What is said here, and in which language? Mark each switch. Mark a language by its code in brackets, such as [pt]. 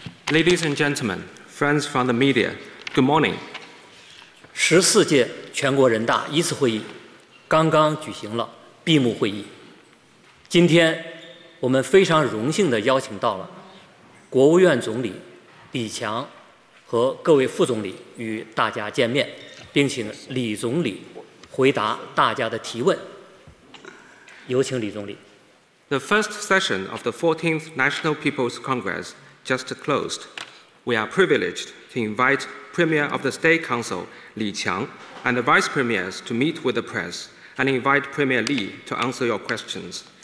[en] Ladies and gentlemen, friends from the media, good morning. [zh] 14th 全国人大 一次会议刚刚举行了闭幕会议。今天我们非常荣幸地邀请到了国务院总理李强和各位副总理与大家见面，并请李总理回答大家的提问。 [en] The first session of the 14th National People's Congress just closed. We are privileged to invite Premier of the State Council Li Qiang and the Vice Premiers to meet with the press and invite Premier Li to answer your questions.